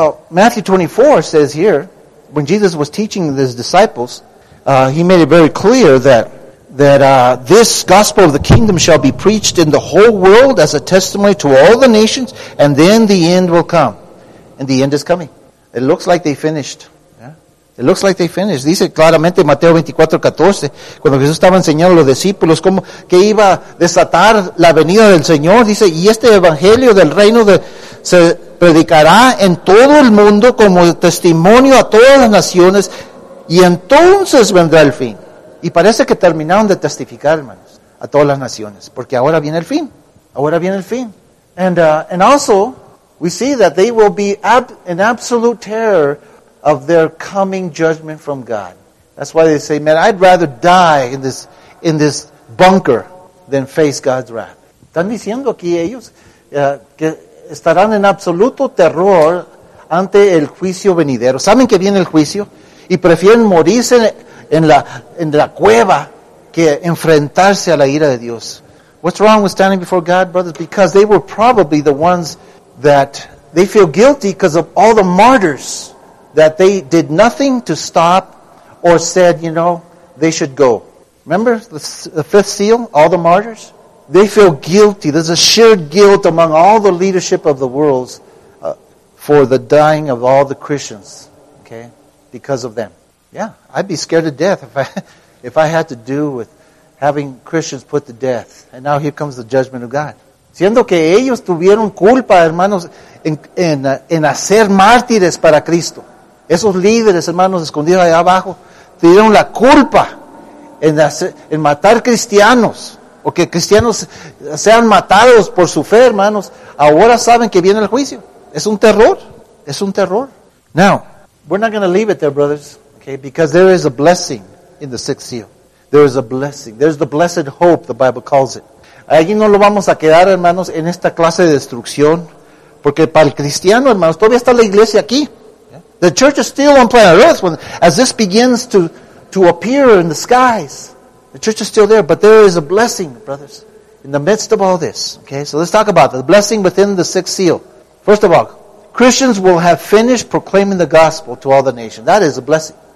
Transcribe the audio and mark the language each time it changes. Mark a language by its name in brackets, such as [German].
[English] Matthew 24 says here, when Jesus was teaching his disciples, he made it very clear that this gospel of the kingdom shall be preached in the whole world as a testimony to all the nations, and then the end will come. And the end is coming. It looks like they finished. Yeah. It looks like they finished. [Spanish] Dice claramente Mateo 24:14, cuando Jesús estaba enseñando a los discípulos cómo que iba a desatar la venida del Señor, dice, y este evangelio del reino se predicará en todo el mundo como testimonio a todas las naciones, y entonces vendrá el fin. Y parece que terminaron de testificar, hermanos, a todas las naciones. Porque ahora viene el fin. Ahora viene el fin. [English] And also, we see that they will be in absolute terror of their coming judgment from God. That's why they say, man, I'd rather die in this bunker than face God's wrath. Están diciendo aquí ellos que [Spanish] estarán en absoluto terror ante el juicio venidero. ¿Saben que viene el juicio? Y prefieren morirse en la cueva que enfrentarse a la ira de Dios. [English] What's wrong with standing before God, brothers? Because they were probably the ones that they feel guilty because of all the martyrs that they did nothing to stop or said, you know, they should go. Remember the fifth seal, all the martyrs? They feel guilty. There's a shared guilt among all the leadership of the world for the dying of all the Christians, okay, because of them. Yeah, I'd be scared to death if I had to do with having Christians put to death. And now here comes the judgment of God. [Spanish] Siendo que ellos tuvieron culpa, hermanos, en hacer mártires para Cristo. Esos líderes, hermanos, escondidos allá abajo, tuvieron la culpa en matar cristianos. O que cristianos sean matados por su fe, hermanos. Ahora saben que viene el juicio. Es un terror. Es un terror. [English] Now, we're not going to leave it there, brothers. Okay, because there is a blessing in the sixth seal. There is a blessing. There's the blessed hope, the Bible calls it. [Spanish] Allí no lo vamos a quedar, hermanos, en esta clase de destrucción. Porque para el cristiano, hermanos, todavía está la iglesia aquí. [English] The church is still on planet Earth when, as this begins to appear in the skies. The church is still there, but there is a blessing, brothers, in the midst of all this. Okay, so let's talk about the blessing within the sixth seal. First of all, Christians will have finished proclaiming the gospel to all the nations. That is a blessing.